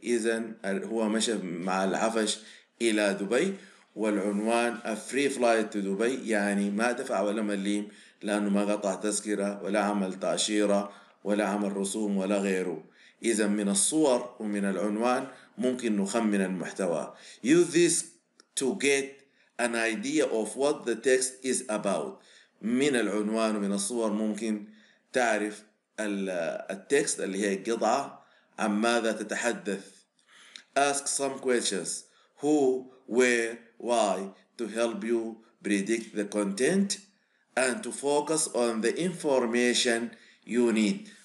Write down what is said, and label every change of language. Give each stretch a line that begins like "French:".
Arabic: إذن هو مشى مع العفش إلى دبي, والعنوان
English: A free flight to Dubai
Arabic: يعني ما دفع ولا مليم لأنه ما قطع تذكرة ولا عمل تأشيرة ولا عمل رسوم ولا غيره. إذن من الصور ومن العنوان ممكن نخمن المحتوى.
English: use this to get an idea of what the text is about.
Arabic: من العنوان ومن الصور ممكن تعرف التكست اللي هي قطعة عن ماذا تتحدث.
English: ask some questions who, where, why to help you predict the content and to focus on the information you need.